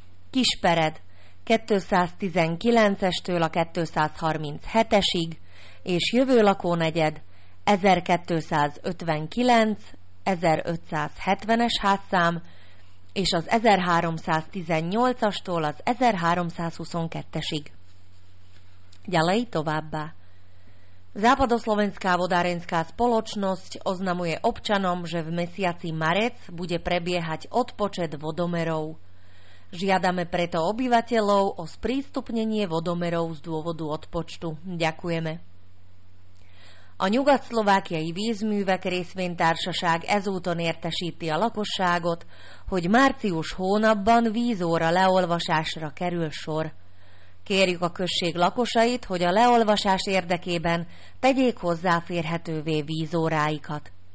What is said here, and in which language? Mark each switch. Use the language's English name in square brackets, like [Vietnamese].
[Hungarian] Kispered 219-estől a 237-esig és jövő lakónegyed 1259, 1570-es házszám és az 1318-astól az 1322-esig. [Slovak] Ďalej továbbá. Západoslovenská vodárenská spoločnosť oznamuje občanom, že v mesiaci marec bude prebiehať odpočet vodomerov. Žiadame preto obyvateľov o sprístupnenie vodomerov z dôvodu odpočtu. Ďakujeme. [Hungarian] A Nyugat-Szlovákiai Vízművek részvénytársaság ezúton értesíti a lakosságot, hogy március hónapban vízóra leolvasásra kerül sor. Kérjük a község lakosait, hogy a leolvasás érdekében tegyék hozzáférhetővé vízóráikat.